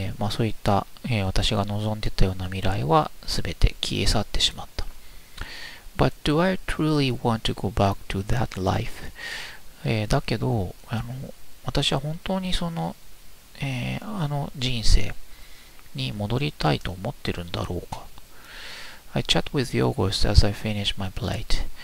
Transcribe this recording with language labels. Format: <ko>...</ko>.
<ja>そういった、私が望んでたような未来はすべて消え去ってしまった。</ja> <en>But do I truly want to go back to that life?</en> <ja>だけど、私は本当にその、あの人生に戻りたいと思ってるんだろうか。</ja> <en>I chat with Yogos as I finish my plate.</en>